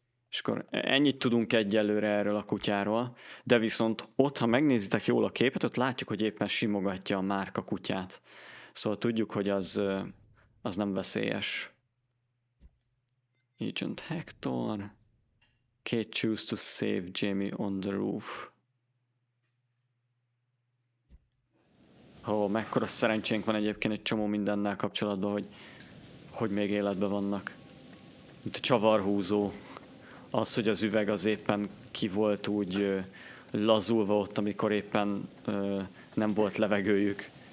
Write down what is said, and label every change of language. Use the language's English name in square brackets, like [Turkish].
[Hungarian] És akkor ennyit tudunk egyelőre erről a kutyáról, de viszont ott, ha megnézitek jól a képet, ott látjuk, hogy éppen simogatja a márka kutyát. Szóval tudjuk, hogy az nem veszélyes. [English] Agent Hector. Kate choose to save Jamie on the roof. [Hungarian] Ó, mekkora szerencsénk van egyébként egy csomó mindennel kapcsolatban, hogy még életben vannak. Mint a csavarhúzó. Az, hogy az üveg az éppen ki volt úgy lazulva ott, amikor éppen nem volt levegőjük.